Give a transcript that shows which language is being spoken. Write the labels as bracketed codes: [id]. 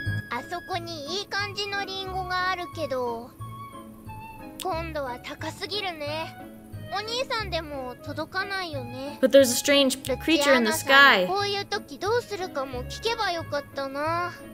[ja] あそこにいい感じのリンゴがあるけど、今度は高すぎるね。お兄さんでも届かないよね。 [en] But there's a strange creature in the sky. [ja] こういう時どうするかも聞けばよかったな。